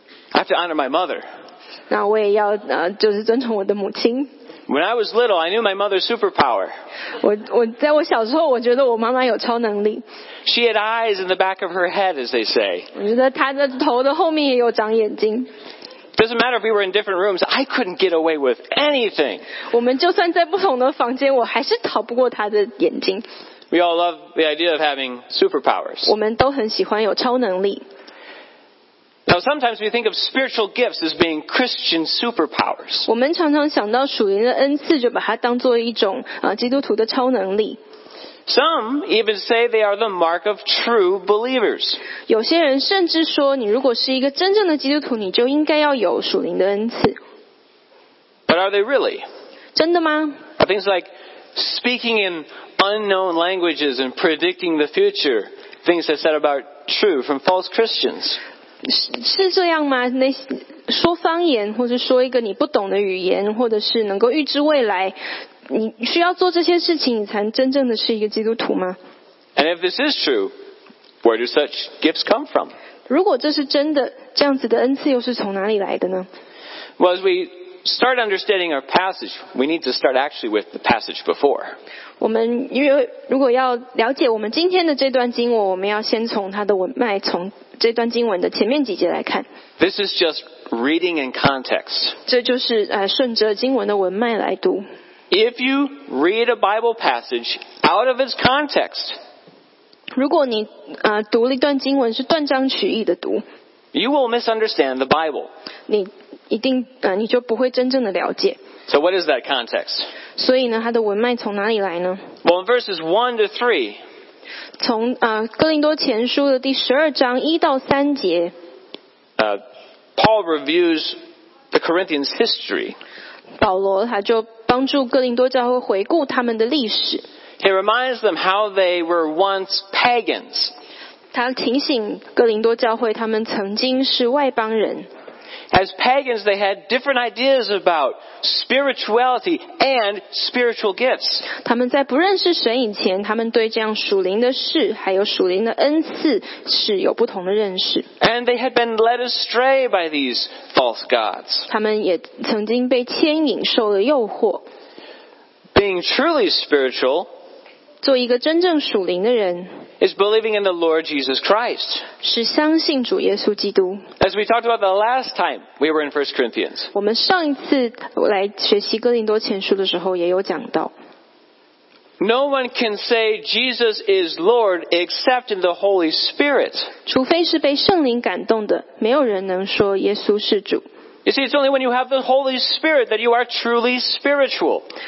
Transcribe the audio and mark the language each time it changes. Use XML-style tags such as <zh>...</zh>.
<en>I have to honor my mother.</en> <zh>那我也要就是尊重我的母亲。</zh> <en>When I was little, I knew my mother's superpower.</en> <zh>我在我小时候，我觉得我妈妈有超能力。</zh> <en>She had eyes in the back of her head, as they say.</en> <zh>我觉得她的头的后面也有长眼睛。</zh> <en>Doesn't matter if we were in different rooms, I couldn't get away with anything.</en> <zh>我们就算在不同的房间，我还是逃不过她的眼睛。</zh> <en>We all love the idea of having superpowers.</en> <zh>我们都很喜欢有超能力。</zh> <en>Now, sometimes we think of spiritual gifts as being Christian superpowers.</en> <zh>我们常常想到属灵的恩赐，就把它当作一种基督徒的超能力。</zh> <en>Some even say they are the mark of true believers.</en> <zh>有些人甚至说，你如果是一个真正的基督徒，你就应该要有属灵的恩赐。</zh> <en>But are they really?</en> <zh>真的吗？</zh> <en>Things like speaking in unknown languages and predicting the future, things that said about true from false Christians.</en> <zh>是这样吗？那说方言或者说一个你不懂的语言，或者是能够预知未来，你需要做这些事情，你才真正的是一个基督徒吗？</zh> <en>And if this is true, where do such gifts come from?</en> <zh>如果这是真的，这样子的恩赐又是从哪里来的呢？</zh> <en>Well, as we start understanding our passage, we need to start actually with the passage before.</en> <zh>我们如果要了解我们今天的这段经文，我们要先从它的文脉，从这段经文的前面几节来看。</zh> <en>This is just reading in context.</en> <zh>这就是顺着经文的文脉来读。</zh> <en>If you read a Bible passage out of its context,</en> <zh>如果你读了一段经文是断章取义的读，</zh> <en>you will misunderstand the Bible.</en> <zh>你就不会真正的了解。</zh> <en>So what is that context?</en> <zh>所以呢，它的文脉从哪里来呢？</zh> <en>Well, in verses 1 to 3,</en> <zh>从哥林多前书的第12章1到3节，</zh> <en>Paul reviews the Corinthians' history.</en> <zh>保罗他就帮助哥林多教会回顾他们的历史。</zh> <en>He reminds them how they were once pagans.</en> <zh>他提醒哥林多教会他们曾经是外邦人。</zh> <en>As pagans, they had different ideas about spirituality and spiritual gifts.</en> <zh>他们在不认识神以前，他们对这样属灵的事，还有属灵的恩赐是有不同的认识。</zh> <en>And they had been led astray by these false gods.</en> <zh>他们也曾经被牵引，受了诱惑。</zh> <en>Being truly spiritual.</en> <zh>做一个真正属灵的人。</zh> <en>Is believing in the Lord Jesus Christ.</en> <zh>是相信主耶稣基督。</zh> <en>As we talked about the last time we were in 1 Corinthians.</en> <zh>我们上一次来学习哥林多前书的时候也有讲到。</zh> <en>No one can say Jesus is Lord except in the Holy Spirit.</en> <zh>除非是被圣灵感动的，没有人能说耶稣是主。</zh> <en>You see, it's only when you have the Holy Spirit that you are truly spiritual.</en>